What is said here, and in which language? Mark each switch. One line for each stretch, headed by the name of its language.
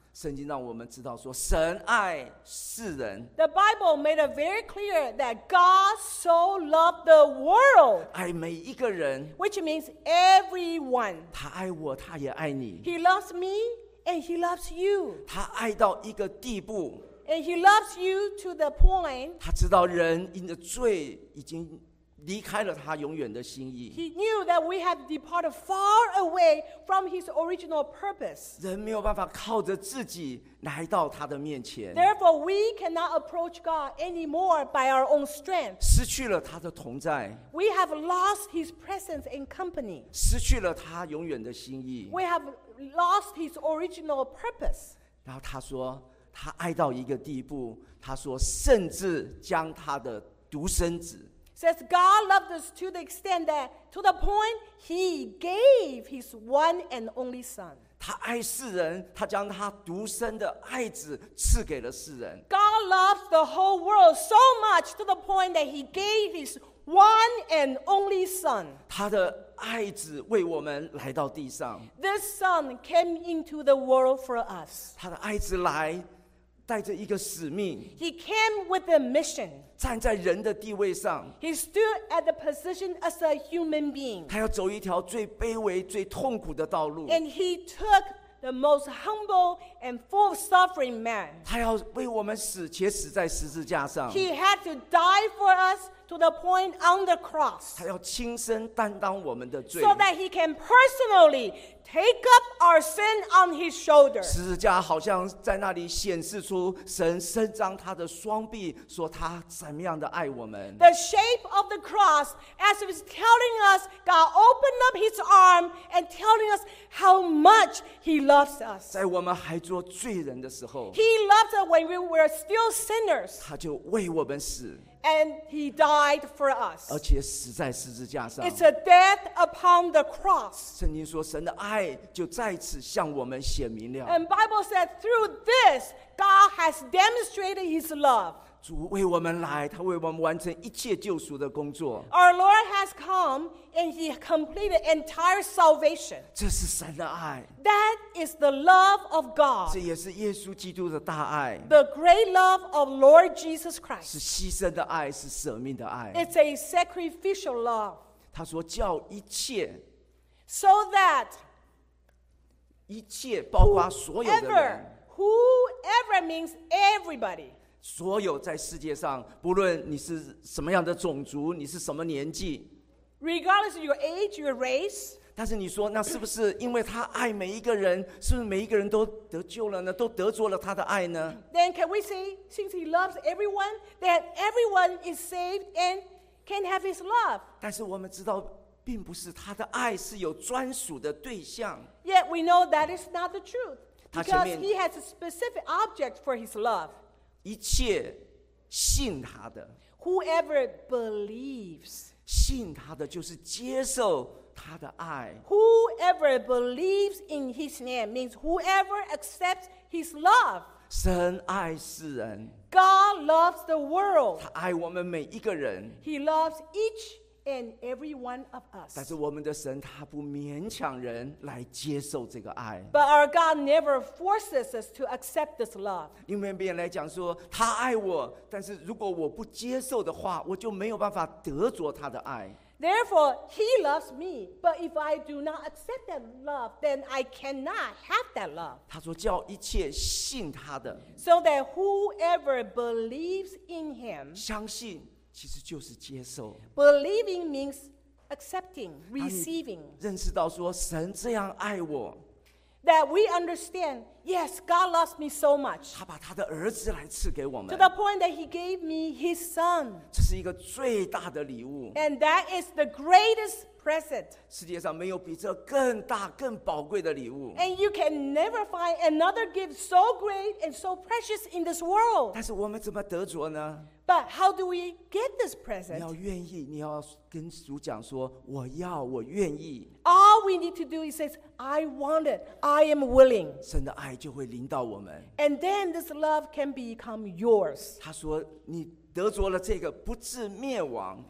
Chinese: 圣经让我们知道说，神爱世人。
English: The Bible made it very clear that God so loved the world.
Chinese: 爱每一个人。
English: Which means everyone.
Chinese: 他爱我，他也爱你。
English: He loves me and he loves you.
Chinese: 他爱到一个地步。
English: And he loves you to the point.
Chinese: 他知道人因着罪已经离开了他永远的心意。
English: He knew that we have departed far away from his original purpose.
Chinese: 人没有办法靠着自己来到他的面前。
English: Therefore, we cannot approach God anymore by our own strength.
Chinese: 失去了他的同在。
English: We have lost his presence and company.
Chinese: 失去了他永远的心意。
English: We have lost his original purpose.
Chinese: 然后他说，他爱到一个地步，他说甚至将他的独生子。
English: Says God loved us to the extent that to the point he gave his one and only son.
Chinese: 他爱世人，他将他独生的爱子赐给了世人。
English: God loves the whole world so much to the point that he gave his one and only son.
Chinese: 他的爱子为我们来到地上。
English: This son came into the world for us.
Chinese: 他的爱子来带着一个使命。
English: He came with a mission.
Chinese: 站在人的地位上。
English: He stood at the position as a human being.
Chinese: 他要走一条最卑微、最痛苦的道路。
English: And he took the most humble and full of suffering man.
Chinese: 他要为我们死，且死在十字架上。
English: He had to die for us to the point on the cross.
Chinese: 他要亲身担当我们的罪。
English: So that he can personally take up our sin on his shoulder.
Chinese: 十字架好像在那里显示出神伸张他的双臂，说他怎么样的爱我们。
English: The shape of the cross as if it's telling us God opened up his arm and telling us how much he loves us.
Chinese: 在我们还做罪人的时候，
English: He loved us when we were still sinners.
Chinese: 他就为我们死。
English: And he died for us.
Chinese: 而且死在十字架上。
English: It's a death upon the cross.
Chinese: 圣经说，神的爱就在此向我们显明了。
English: And Bible said through this, God has demonstrated his love.
Chinese: 主为我们来，他为我们完成一切救赎的工作。
English: Our Lord has come and he completed entire salvation.
Chinese: 这是神的爱。
English: That is the love of God.
Chinese: 这也是耶稣基督的大爱。
English: The great love of Lord Jesus Christ.
Chinese: 是牺牲的爱，是舍命的爱。
English: It's a sacrificial love.
Chinese: 他说叫一切。
English: so that
Chinese: 一切包括所有的人
English: whoever means everybody
Chinese: 所有在世界上不论你是什么样的种族你是什么年纪
English: regardless of your age, your race
Chinese: 但是你说那是不是因为他爱每一个人是不是每一个人都得救了呢都得着了他的爱呢
English: then can we say since he loves everyone that everyone is saved and can have his love
Chinese: 但是我们知道并不是他的爱是有专属的对象
English: Yet we know that is not the truth because he has a specific object for his love
Chinese: 一切信他的
English: whoever believes
Chinese: 信他的就是接受他的爱
English: whoever believes in his name means whoever accepts his love
Chinese: 神爱世人
English: God loves the world
Chinese: 他爱我们每一个人
English: he loves each and every one of us
Chinese: 但是我们的神他不勉强人来接受这个爱
English: but our God never forces us to accept this love
Chinese: 因为别人来讲说他爱我但是如果我不接受的话我就没有办法得着他的爱
English: therefore he loves me but if I do not accept that love then I cannot have that love
Chinese: 他说叫一切信他的
English: so that whoever believes in him
Chinese: 相信其实就是接受
English: Believing means accepting, receiving
Chinese: 认识到说神这样爱我
English: That we understand Yes, God loves me so much
Chinese: 他把他的儿子来赐给我们
English: To the point that he gave me his son
Chinese: 这是一个最大的礼物
English: And that is the greatest present
Chinese: 世界上没有比这更大更宝贵的礼物
English: And you can never find another gift so great and so precious in this world
Chinese: 但是我们怎么得着呢
English: But how do we get this present?
Chinese: 你要愿意，你要跟主讲说，我要，我愿意。
English: All we need to do is say, I want it, I am willing.
Chinese: 神的爱就会临到我们。
English: And then this love can become yours.
Chinese: 他说，你得着了这个，不至灭亡。